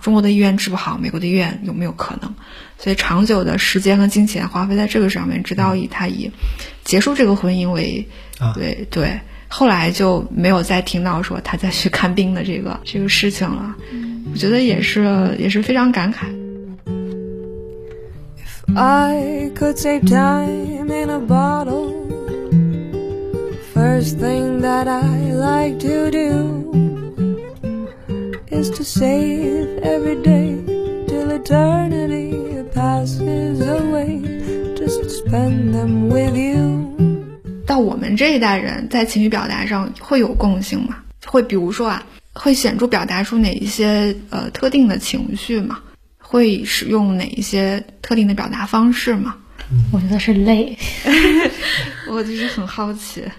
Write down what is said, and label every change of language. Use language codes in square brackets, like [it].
[zh] 中国的医院治不好，美国的医院有没有可能？所以长久的时间和金钱花费在这个上面，直到以他以结束这个婚姻为对对，后来就没有再听到说他再去看病的这个事情了。我觉得也是非常感慨。 [en] If I could save time in a bottle, first thing that I like to do is to save every day till eternity passes away, just spend them with you。 [zh] 到我们这一代人在情绪表达上会有共性吗？会比如说啊，会显著表达出哪一些特定的情绪吗？会使用哪一些特定的表达方式吗？我觉得是累。我就是很好奇。